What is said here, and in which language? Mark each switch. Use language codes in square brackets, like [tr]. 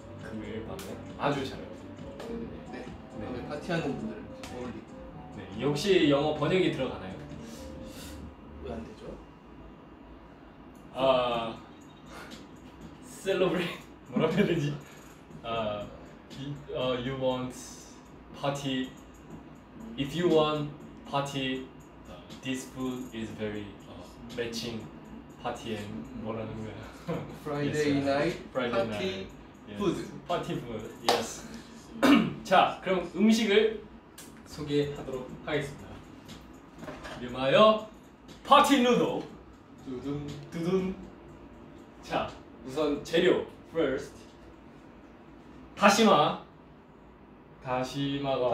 [ko] 금요일 밤에 아주 잘 어울리는. 네, 네. 밤에 파티하는 분들 어울리. 네, 역시 영어 번역이 들어가나요? 왜 안 되죠? 아, celebrate 뭐라고 해야 되지? 아, [en] you want party? If you want party, this food is very matching. [ko] 파티에 뭐라는 거야? [en] Friday yes, night Friday party night. food. Yes. Party food. Yes. [ko] 자, 그럼 음식을 소개하도록 하겠습니다. 이름하여 파티 누도. 두둥 두둥. 자, 우선 재료 first. 다시마. 다시마가